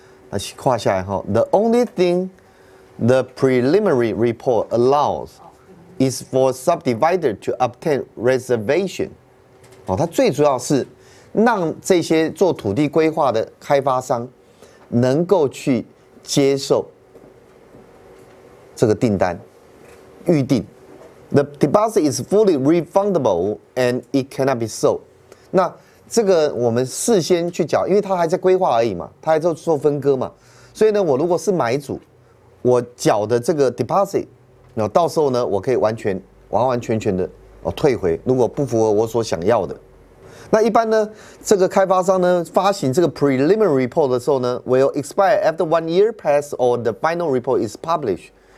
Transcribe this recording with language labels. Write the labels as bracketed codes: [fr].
[zh] 那画下来哈，哦， [en] the only thing。The preliminary report allows is for subdivider to obtain reservation。 [zh] 哦，它最主要是让这些做土地规划的开发商能够去接受这个订单预定。 [en] The deposit is fully refundable and it cannot be sold。 [zh] 那这个我们事先去缴，因为它还在规划而已嘛，它还在做分割嘛，所以呢，我如果是买主。我缴的这个 deposit， 那到时候呢，我可以完完全全的退回，如果不符合我所想要的。那一般呢，这个开发商呢发行这个 preliminary report 的时候呢， [en] will expire after 1 year pass or the final report is published。